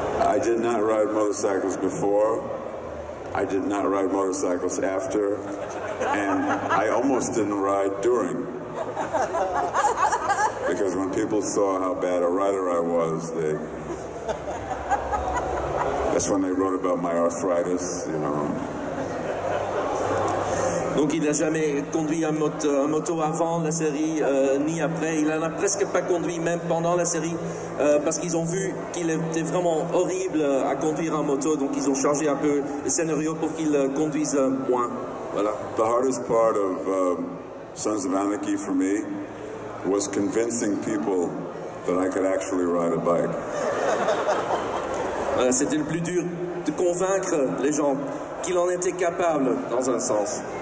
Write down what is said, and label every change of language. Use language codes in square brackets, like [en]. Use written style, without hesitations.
[en] I did not ride motorcycles before. I did not ride motorcycles after. And I almost didn't ride during. Because when people saw how bad a rider I was, that's when they wrote about my arthritis, you know. [fr] Donc il n'a jamais conduit un moto avant la série, ni après. Il n'en a presque pas conduit même pendant la série, parce qu'ils ont vu qu'il était vraiment horrible à conduire en moto. Donc ils ont changé un peu le scénario pour qu'il conduise moins. Voilà. [en] The hardest part of Sons of Anarchy for me was convincing people that I could actually ride a bike. [fr] C'était le plus dur de convaincre les gens qu'il en était capable, dans un sens.